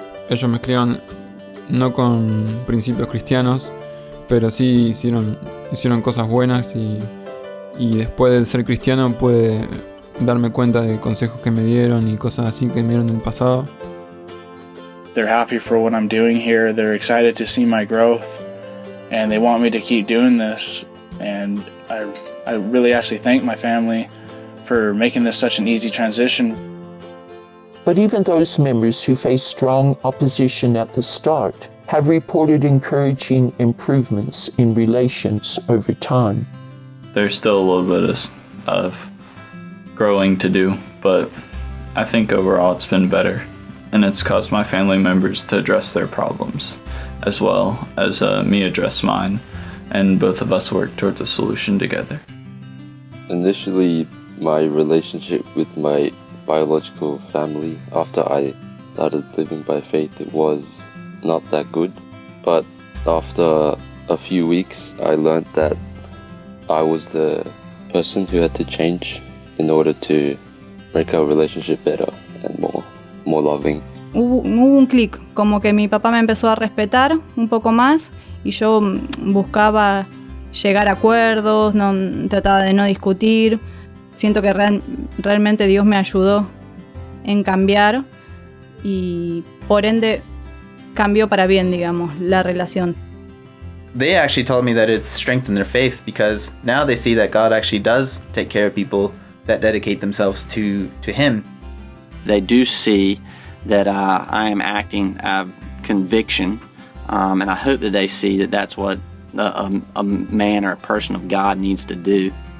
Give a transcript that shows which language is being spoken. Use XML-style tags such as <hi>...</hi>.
<es>Ellos me criaron no con principios cristianos, pero sí hicieron cosas buenas, y después de ser cristiano pude darme cuenta de consejos que me dieron y cosas así que me dieron en el pasado.</es> <en>They're happy for what I'm doing here. They're excited to see my growth, and they want me to keep doing this. And I really actually thank my family for making this such an easy transition. But even those members who faced strong opposition at the start have reported encouraging improvements in relations over time. There's still a little bit of growing to do, but I think overall it's been better, and it's caused my family members to address their problems as well as me address mine, and both of us work towards a solution together. Initially, my relationship with my biological family after I started living by faith, it was not that good, but after a few weeks I learned that I was the person who had to change in order to make our relationship better and more loving.</en> <es>Hubo un clic, como que mi papá me empezó a respetar un poco más, y yo buscaba llegar a acuerdos, no trataba de no discutir. Siento que realmente Dios me ayudó en cambiar, y por ende cambió para bien, digamos, la relación.</es> <en>They actually told me that it's strengthened their faith, because now they see that God actually does take care of people that dedicate themselves to him. They do see that I am acting out of conviction, and I hope that they see that that's what a man or a person of God needs to do.</en>